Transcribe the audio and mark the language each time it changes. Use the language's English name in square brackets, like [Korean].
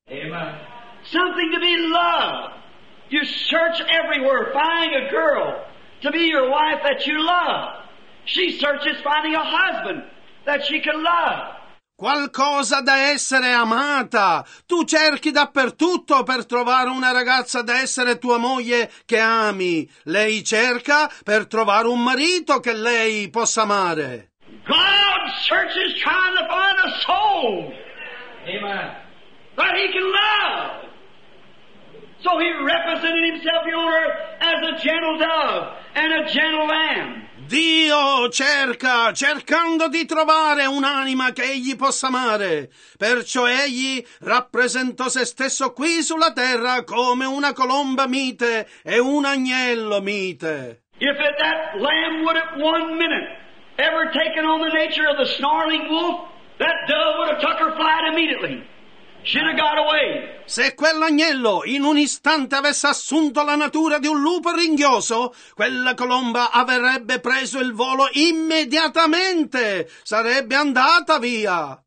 [English] Amen. Something to be loved. You search everywhere finding a girl to be your wife that you love. She searches finding a husband that she can love. [Italian] Qualcosa da essere amata. Tu cerchi dappertutto per trovare una ragazza da essere tua moglie che ami. Lei cerca per trovare un marito che lei possa amare. [English] God searches trying to find a soul. Amen. That he can love. So he represented himself here on earth as a gentle dove and a gentle lamb. [Italian] Dio cerca, cercando di trovare un'anima che egli possa amare. Perciò egli rappresentò se stesso qui sulla terra come una colomba mite e un agnello mite. [English] If that lamb would have one minute ever taken on the nature of the snarling wolf, that dove would have took her flight immediately. She'd have got away. [Italian] Se quell'agnello in un istante avesse assunto la natura di un lupo ringhioso, quella colomba avrebbe preso il volo immediatamente. Sarebbe andata via.